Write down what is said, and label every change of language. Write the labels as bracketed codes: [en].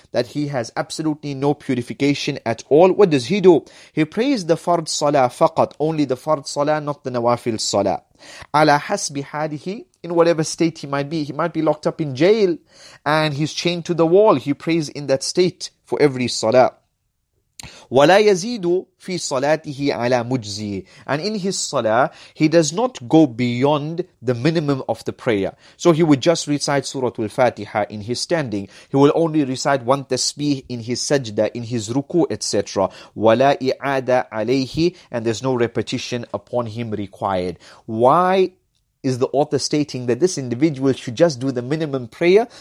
[en] That he has absolutely no purification at all. What does he do? He prays the fard salah faqat, only the fard salah, not the nawafil salah. Ala hasbi hadihi, in whatever state he might be. He might be locked up in jail and he's chained to the wall. He prays in that state for every salah. [ar] ولا يزيد في صلاته على مجزي. [en] And in his salah, he does not go beyond the minimum of the prayer. So he would just recite Surah Al-Fatiha in his standing. He will only recite one tasbih in his sajda, in his ruku, etc. [ar] ولا إعادة عليه. [en] And there's no repetition upon him required. Why is the author stating that this individual should just do the minimum prayer?